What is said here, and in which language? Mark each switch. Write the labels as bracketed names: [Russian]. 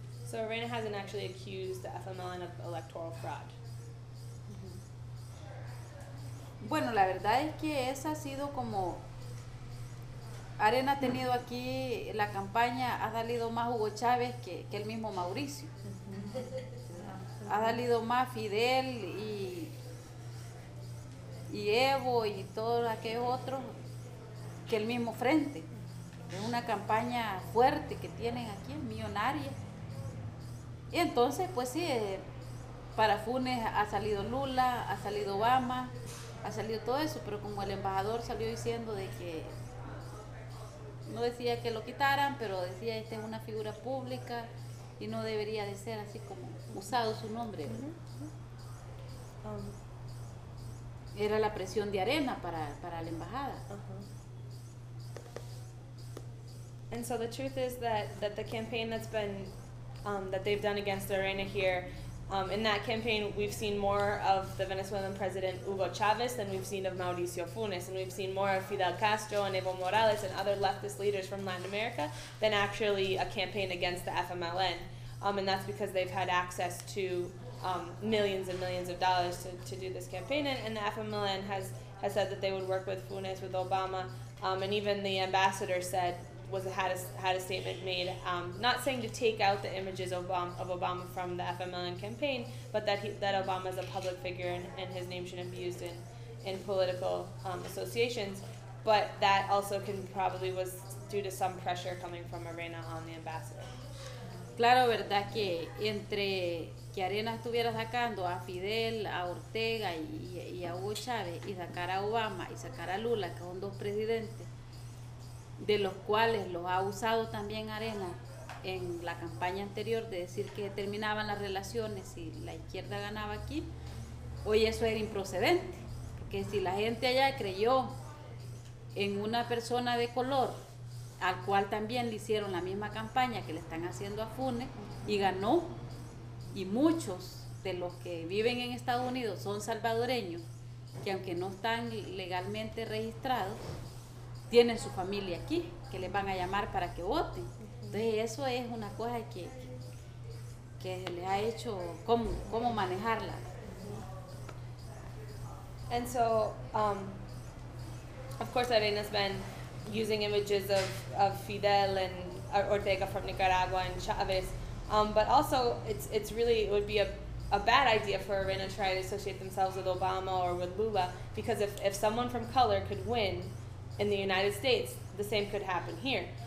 [English] So Arena hasn't actually accused the FMLN of electoral fraud. [Spanish] Bueno, la verdad es que esa ha sido como Arena ha tenido aquí la campaña, ha salido más Hugo Chávez que el mismo Mauricio. Ha salido más Fidel y Evo y todos aquellos otros que el mismo Frente. Es una campaña fuerte que tienen aquí, millonaria. Y entonces, pues sí, para Funes ha salido Lula, ha salido Obama, ha salido todo eso, pero como el embajador salió diciendo de que no decía que lo quitaran, pero decía esta es una figura pública y no debería de ser así como usado su nombre. Era la presión de Arena para la embajada. [English] And so the truth is that the campaign that's been that they've done against Arena here, in that campaign we've seen more of the Venezuelan president Hugo Chavez than we've seen of Mauricio Funes, and we've seen more of Fidel Castro and Evo Morales and other leftist leaders from Latin America than actually a campaign against the FMLN, and that's because they've had access to millions and millions of dollars to do this campaign, and the FMLN has said that they would work with Funes, with Obama, and even the ambassador had a statement made, not saying to take out the images of Obama from the FMLN campaign, but that Obama is a public figure and his name shouldn't be used in political associations. But that also was due to some pressure coming from Arena on the ambassador. [Spanish] Claro, verdad que entre que Arena estuviera sacando a Fidel, a Ortega y a Hugo Chávez, y sacar a Obama y sacar a Lula, que son dos presidentes, de los cuales los ha usado también Arena en la campaña anterior de decir que terminaban las relaciones y la izquierda ganaba aquí, hoy eso era improcedente, porque si la gente allá creyó en una persona de color, al cual también le hicieron la misma campaña que le están haciendo a Funes, y ganó, y muchos de los que viven en Estados Unidos son salvadoreños, que aunque no están legalmente registrados, tienen su familia aquí, que les van a llamar para que voten. Entonces eso es una cosa que se les ha hecho, cómo manejarla. [English] And so, of course, Arena's been using images of Fidel and Ortega from Nicaragua and Chavez, but also it's really, it would be a bad idea for Arena to try to associate themselves with Obama or with Lula, because if someone from color could win in the United States, the same could happen here.